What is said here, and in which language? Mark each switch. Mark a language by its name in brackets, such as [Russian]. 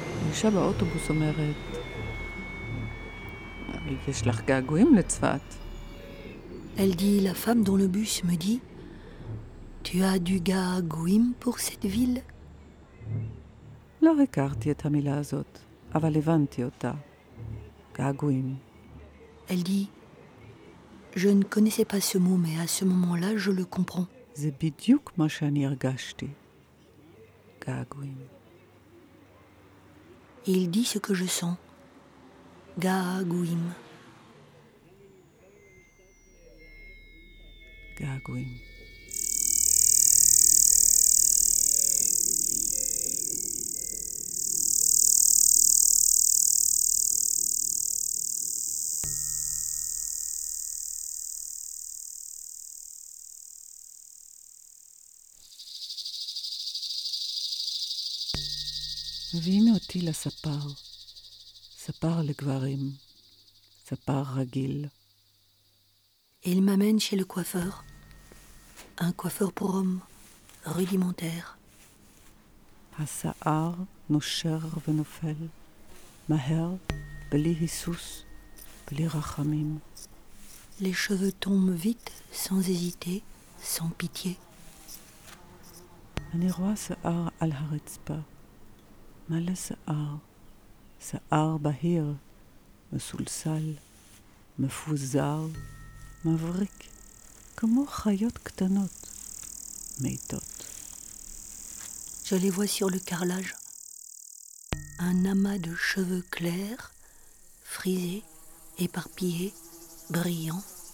[Hebrew] אישה באוטובוס אומרת, יש לך געגועים לצפת. [French] Elle dit, la femme dans le bus me dit, tu as du געגועים pour cette ville? [Hebrew] לא הכרתי את המילה הזאת, אבל הבנתי אותה. געגועים. [French] Elle dit, je ne connaissais pas ce mot, mais à ce moment-là, je le comprends. [Hebrew] זה בדיוק מה שאני הרגשתי. געגועים. [French] Il dit ce que je sens. געגועים. [Hebrew] געגועים. מביאים אותי לספר, ספר לגברים, ספר רגיל. [French] Il m'amène chez le coiffeur, un coiffeur pour homme, rudimentaire. [Hebrew] השיער נושר ונופל, מהר, בלי היסוס, בלי רחמים. [French] Les cheveux tombent vite, sans hésiter, sans pitié. [Hebrew] אני רואה שיער על הרצפה. מלא שיער, שיער בהיר, מסולסל, מפוזר, מבריק, כמו חיות קטנות, מיטות. [French] Je les vois sur le carrelage. Un amas de cheveux clairs, frisés, éparpillés, brillants.